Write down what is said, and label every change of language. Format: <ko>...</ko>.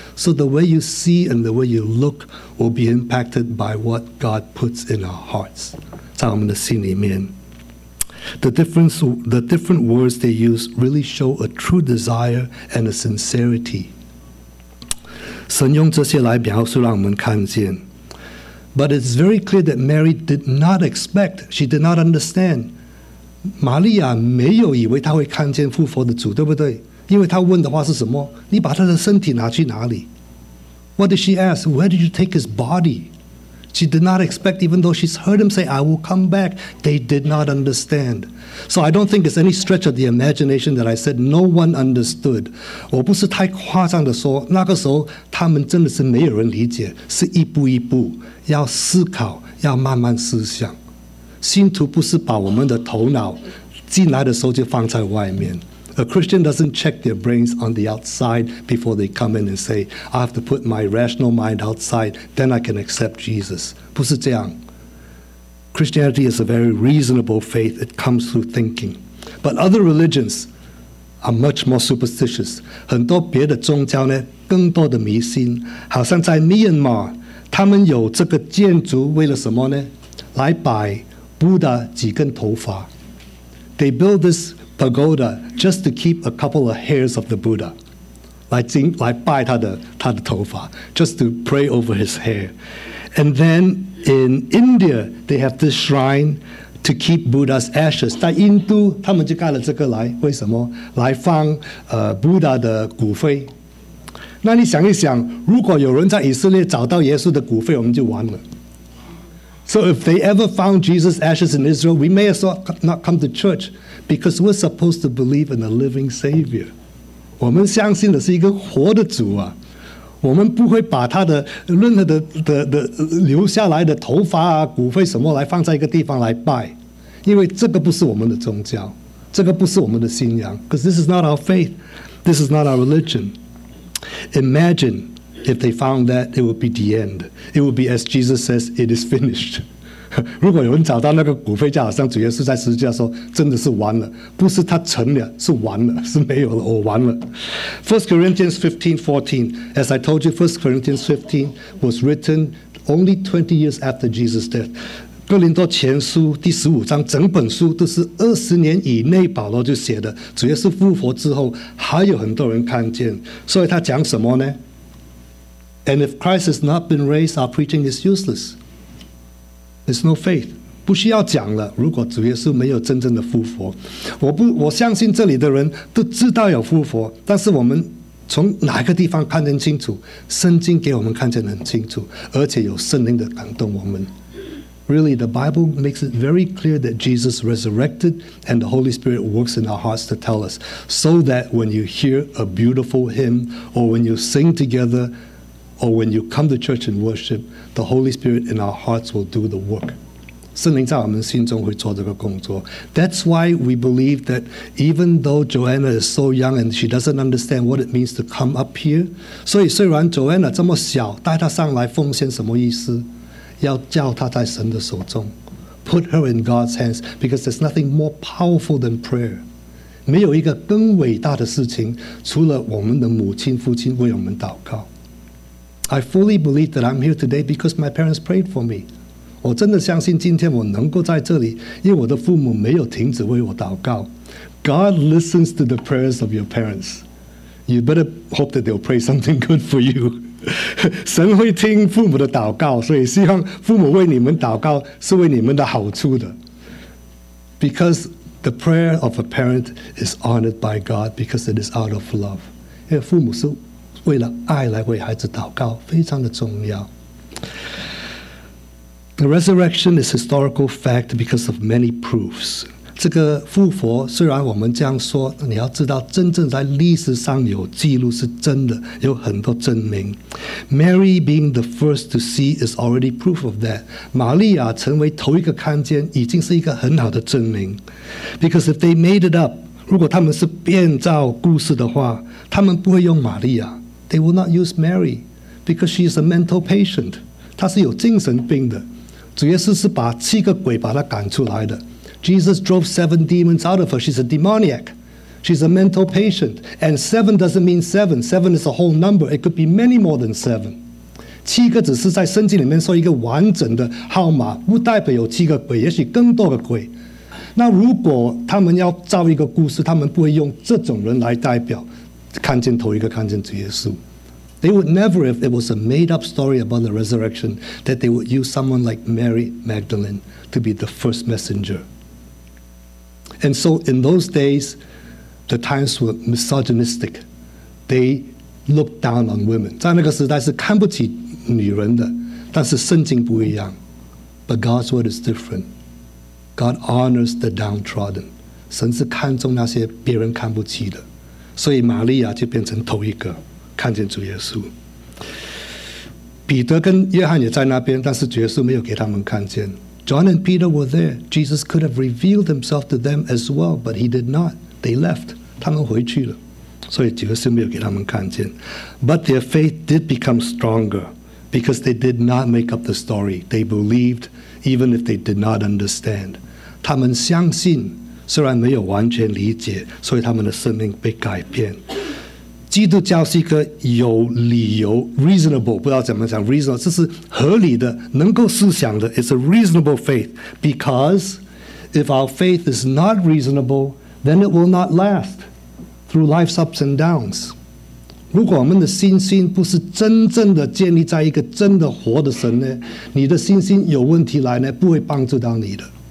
<en>So the way you see and the way you look will be impacted by what God puts in our hearts，</en> <zh>在我们的心里面。</zh> <en>The different words they use really show a true desire and a sincerity。</en> <zh>神用这些来描述让我们看见。</zh> <en>But it's very clear that Mary did not expect, she did not understand.</en> <zh>玛利亚没有以为她会看见复活的主，对不对？因为她问的话是什么？你把她的身体拿去哪里？</zh> <en>What did she ask? Where did you take his body? She did not expect, even though she's heard him say, I will come back. They did not understand. So I don't think it's any stretch of the imagination that I said no one understood.</en> <zh>我不是太夸张的说，那个时候他们真的是没有人理解，是一步一步，要思考，要慢慢思想。信徒不是把我们的头脑进来的时候就放在外面。</zh> <en>A Christian doesn't check their brains on the outside before they come in and say, I have to put my rational mind outside, then I can accept Jesus.</en> <zh>不是这样。</zh> <en>Christianity is a very reasonable faith. It comes through thinking. But other religions are much more superstitious.</en> <zh>很多别的宗教呢，更多的迷信。好像在 Myanmar, 他们有这个建筑为了什么呢？来摆 Buddha 几根头发。</zh> <en>They build this pagoda just to keep a couple of hairs of the Buddha.</en> <zh>来拜他的头发,</zh> <en>just to pray over his hair. And then,In India, they have this shrine to keep Buddha's ashes.</en> <zh>在印度，他们就盖了这个来，为什么？来放Buddha 的骨灰。那你想一想，如果有人在以色列找到耶稣的骨灰，我们就完了。</zh> <en>So if they ever found Jesus' ashes in Israel, we may as well not come to church because we're supposed to believe in a living Savior.</en> <zh>我们相信的是一个活的主啊。我们不会把他的任何 的留下来的头发啊骨灰什么来放在一个地方来拜，因为这个不是我们的宗教，这个不是我们的信仰。</zh> <en>Because this is not our faith, this is not our religion. Imagine if they found that, it would be the end. It would be as Jesus says, it is finished.</en> <zh>如果有人找到那个骨灰，就好像主耶稣在十字架说，真的是完了，不是他成了，是完了，是没有了，我完了。</zh> <en>1 Corinthians 15:14, as I told you, 1 Corinthians 15 was written only 20 years after Jesus' death.</en> <zh>哥林多前书第十五章，整本书都是二十年以内保罗就写的。主耶稣复活之后，还有很多人看见，所以他讲什么呢？</zh> <en>And if Christ has not been raised, our preaching is useless. There's no faith.</en> <zh>不需要讲了，如果主耶稣没有真正的复活，我相信这里的人都知道有复活，但是我们从哪个地方看得清楚？圣经给我们看见很清楚，而且有圣灵的感动我们。</zh> <en>Really, the Bible makes it very clear that Jesus resurrected and the Holy Spirit works in our hearts to tell us so that when you hear a beautiful hymn or when you sing together or when you come to church and worship, the Holy Spirit in our hearts will do the work.</en> <zh>圣灵在我们心中会做这个工作。</zh> <en>That's why we believe that even though Joanna is so young and she doesn't understand what it means to come up here,</en> <zh>所以虽然 Joanna 这么小，带她上来奉献什么意思？要叫她在神的手中</zh> <en>，put her in God's hands, because there's nothing more powerful than prayer.</en> <zh>没有一个更伟大的事情，除了我们的母亲、父亲为我们祷告。</zh> <en>I fully believe that I'm here today because my parents prayed for me.</en> <zh>我真的相信今天我能够在这里，因为我的父母没有停止为我祷告。</zh> <en>God listens to the prayers of your parents. You better hope that they'll pray something good for you.</en> <zh>神会听父母的祷告，所以希望父母为你们祷告是为你们的好处的。</zh> <en>Because the prayer of a parent is honored by God because it is out of love.</en> <zh>因为父母是为了爱来为孩子祷告，非常的重要。</zh> <en>The resurrection is historical fact because of many proofs.</en> <zh>这个复活虽然我们这样说，你要知道真正在历史上有记录是真的，有很多证明。</zh> <en>Mary being the first to see is already proof of that.</en> <zh>玛利亚成为头一个看见已经是一个很好的证明。</zh> <en>Because if they made it up,</en> <zh>如果他们是编造故事的话，他们不会用玛利亚。</zh> <en>They will not use Mary because she is a mental patient.</en> <zh>她是有精神病的。主耶稣是把七个鬼把她赶出来的。</zh> <en>Jesus drove seven demons out of her. She's a demoniac. She's a mental patient. And seven doesn't mean seven. Seven is a whole number. It could be many more than seven.</en> <zh>七个只是在圣经里面说一个完整的号码，不代表有七个鬼，也许更多的鬼。那如果他们要造一个故事，他们不会用这种人来代表，看见头一个看见主耶稣。</zh> <en>They would never, if it was a made-up story about the resurrection, that they would use someone like Mary Magdalene to be the first messenger. And so in those days, the times were misogynistic. They looked down on women.</en> <zh>在那个时代是看不起女人的，但是圣经不一样。</zh> <en>But God's word is different. God honors the downtrodden.</en> <zh>神是看重那些别人看不起的。所以玛利亚就变成头一个看见主耶稣。彼得跟约翰也在那边，但是主耶稣没有给他们看见。</zh> <en>John and Peter were there. Jesus could have revealed himself to them as well, but he did not. They left.</en> <zh>他们回去了。所以主耶稣没有给他们看见。</zh> <en>But their faith did become stronger because they did not make up the story. They believed even if they did not understand.</en> <zh>他们相信虽然没有完全理解，所以他们的生命被改变。基督教是一个有理由 reasonable， 不知道怎么讲 reasonable， 这是合理的，能够思想的。</zh> <en>It's a reasonable faith because if our faith is not reasonable, then it will not last through life's ups and downs.</en> <zh>如果我们的信心不是真正的建立在一个真的活的神呢，你的信心有问题来呢，不会帮助到你的。</zh>